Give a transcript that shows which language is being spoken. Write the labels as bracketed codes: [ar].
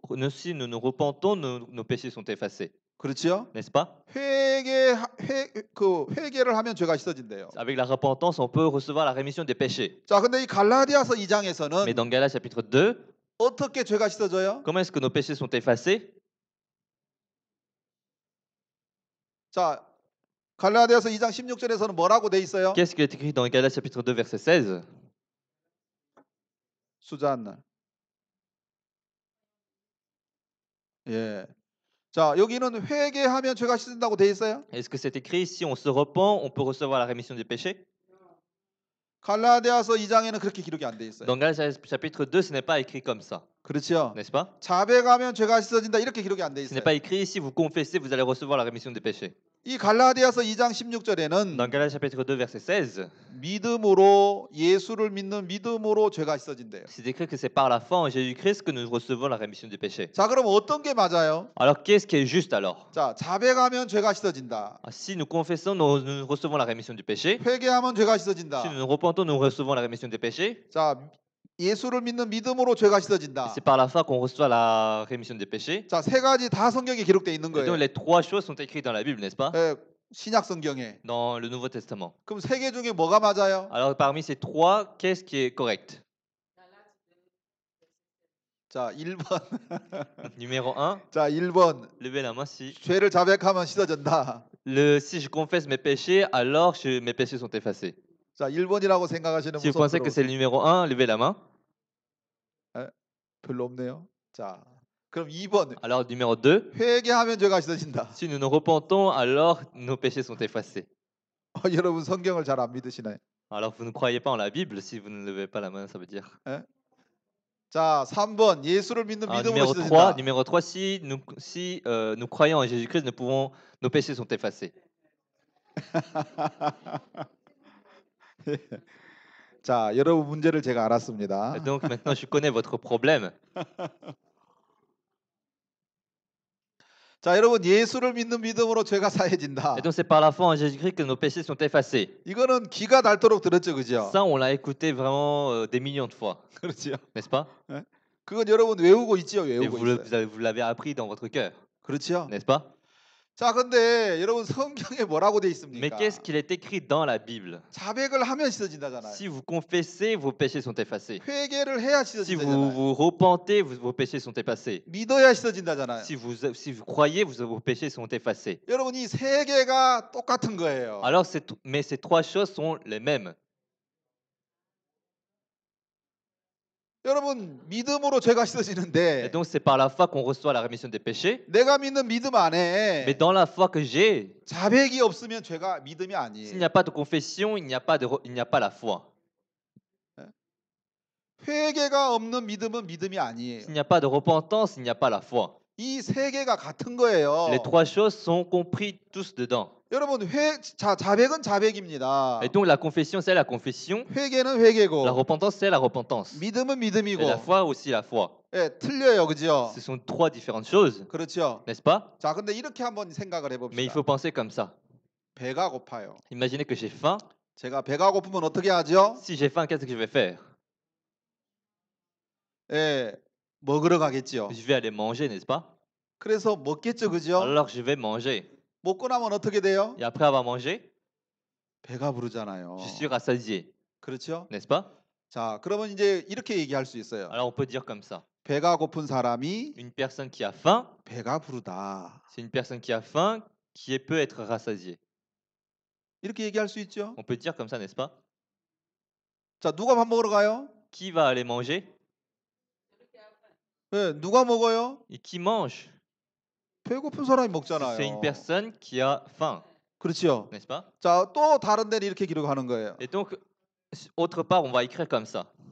[fr] Si nous nous repentons, nos péchés sont effacés. [ko] 그렇죠? [fr] N'est-ce pas? [ko] 회개를 하면 죄가 씻어진대요. [fr] Avec la repentance, on peut recevoir la rémission des péchés. [ko] 자, 근데 이 갈라디아서 2장에서는 [fr] Mais dans Galates chapitre 2, [ko] 어떻게 죄가 씻어져요? [fr] Comment est-ce que nos péchés sont effacés? [ko] 자, 갈라디아서 2장 16절에서는 뭐라고 돼 있어요? [fr] Qu'est-ce qui est écrit dans Galates chapitre 2 verset 16? [ko] 수잔나. 예. 자, 여기는 회개하면 죄가 씻는다고 돼 있어요? [fr] Est-ce que c'est écrit si on se repent, on peut recevoir la rémission des péchés? [ko] 갈라디아서 2장에는 그렇게 기록이 안 돼 있어요. [fr] Dans Galates chapitre 2, ce n'est pas écrit comme ça. [ko] 그렇죠? [fr] N'est-ce pas? [ko] 자백하면 죄가 씻어진다 이렇게 기록이 안 돼 있어요. [fr] Ce n'est pas écrit ici, vous confessez, vous allez recevoir la rémission des péchés. [ko] 이 갈라디아서 2장 16절에는 [fr] Dans Galates chapitre 2 verset 16, [ko] 믿음으로 예수를 믿는 믿음으로 죄가 씻어진대요. [fr] C'est écrit que c'est par la foi en Jésus-Christ que nous recevons la rémission des péchés. [ko] 자, 그럼 어떤 게 맞아요? [fr] Alors qu'est-ce qui est juste alors? [ko] 자, 자백하면 죄가 씻어진다. [fr] Si nous confessons, nous recevons la rémission des péchés. [ko] 회개하면 죄가 씻어진다. [fr] Si nous repentons, nous recevons la rémission des péchés. [ko] 자, 예수를 믿는 믿음으로 죄가 씻어진다. [fr] C'est par la foi qu'on reçoit la rémission des péchés. [ko] 자, 세 가지 다 성경에 기록돼 있는 거예요. [fr] Donc les trois choses sont écrites dans la Bible, n'est-ce pas? [ko] 네, 신약 성경에. [fr] Dans le Nouveau Testament. [ko] 그럼 세 개 중에 뭐가 맞아요? [fr] Alors parmi ces trois, qu'est-ce qui est correct? [ko] 자, 1번. [fr] Numéro 1. [ko] 자, 1번. [fr] Levez la main si. [ko] 죄를 자백하면 씻어진다. [fr] Le si je confesse mes péchés, alors mes péchés sont effacés. [ko] 자, 1번이라고 생각하시는 분들. [fr] Si vous pensez que c'est le numéro 1, levez la main. [ko] 에? 별로 없네요. 자, 그럼 2번. [fr] Alors numéro 2. [ko] 회개하면 죄가 씻어진다. [fr] Si nous nous repentons, alors nos péchés sont effacés. [ko] 여러분 성경을 잘 안 믿으시나요? [fr] Alors vous ne croyez pas en la Bible si vous ne levez pas la main, ça veut dire. [ko] 에? 자, 3번. 예수를 믿는 믿음으로 씻어진다. [fr] 3, numéro 3. Si nous croyons en Jésus-Christ, nous pouvons nos péchés sont effacés. [ko] 자, 여러분 문제를 제가 알았습니다. [fr] Donc maintenant je connais votre problème. [ko] 자, 여러분 예수를 믿는 믿음으로 죄가 사해진다. [fr] Et donc c'est par la foi en Jésus-Christ que nos péchés sont effacés. [ko] 이거는 귀가 닳도록 들었죠, 그죠? [fr] Ça on l'a écouté vraiment des millions de fois. [ko] 그렇죠? [fr] N'est-ce pas? [ko] 그건 여러분 외우고 있지요, 외우고 있어요. [fr] Vous l'avez appris dans votre cœur. [ko] 그렇죠? [fr] N'est-ce pas? [ko] 자, 근데 여러분 성경에 뭐라고 돼 있습니까? [fr] Mais qu'est-ce qu'il est écrit dans la Bible? [ko] 자백을 하면 씻어진다잖아요. [fr] Si vous confessez, vos péchés sont effacés. [ko] 회개를 해야 씻어진다잖아요. [fr] Si vous repentez, vos péchés sont effacés. [ko] 믿어야 씻어진다잖아요. [fr] Si vous croyez, vos péchés sont effacés. [ko] 여러분 이 세 개가 똑같은 거예요. [fr] Alors ces trois choses sont les mêmes. [ko] 여러분 믿음으로 죄가 씻어지는데 [fr] Et donc c'est par la foi qu'on reçoit la rémission des péchés. [ko] 내가 믿는 믿음 안에 [fr] Mais dans la foi que j'ai [ko] 자백이 없으면 죄가 믿음이 아니에요. [fr] S'il n'y a pas de confession, il n'y a pas la foi. [ko] 회개가 없는 믿음은 믿음이 아니에요. [fr] S'il n'y a pas de repentance, il n'y a pas la foi. [ko] 이 세 개가 같은 거예요. [fr] Les trois choses sont compris tous dedans. [ko] 여러분 자백은 자백입니다. [fr] Et donc la confession c'est la confession. [ko] 회개는 회개고. [fr] La repentance c'est la repentance. [ko] 믿음은 믿음이고. [fr] Et la foi aussi la foi. [ko] 예, 틀려요, 그죠? [fr] Ce sont trois différentes choses. [ko] 그렇죠. [fr] N'est-ce pas? [ko] 자, 근데 이렇게 한번 생각을 해봅시다. [fr] Mais il faut penser comme ça. [ko] 배가 고파요. [fr] Imaginez que j'ai faim. [ko] 제가 배가 고프면 어떻게 하죠? [fr] Si j'ai faim, qu'est-ce que je vais faire? [ko] 예, 먹으러 가겠죠. [fr] Je vais aller manger, n'est-ce pas? [ko] 그래서 먹겠죠, 그죠? [fr] Alors je vais manger. [ko] 먹고 나면 어떻게 돼요? [fr] Et après avoir mangé, [ko] 배가 부르잖아요. [fr] Je suis rassasié. [ko] 그렇죠? [fr] N'est-ce pas? [ko] 자, 그러면 이제 이렇게 얘기할 수 있어요. [fr] Alors on peut dire comme ça. [ko] 배가 고픈 사람이 [fr] une personne qui a faim, [ko] 배가 부르다. [fr] C'est une personne qui a faim qui peut être rassasié. [ko] 이렇게 얘기할 수 있죠? [fr] On peut dire comme ça, n'est-ce pas? [ko] 자, 누가 밥 먹으러 가요? [fr] Qui va aller manger? [ko] 네, 누가 먹어요? [fr] Et qui mange? [ko] 배고픈 사람이 먹잖아요. [fr] C'est une personne qui a faim. [ko] 그렇죠. [fr] N'est-ce pas? [ko] 자, 또 다른 데는 이렇게 기록하는 거예요. [fr] Et donc autre part on va écrire comme ça.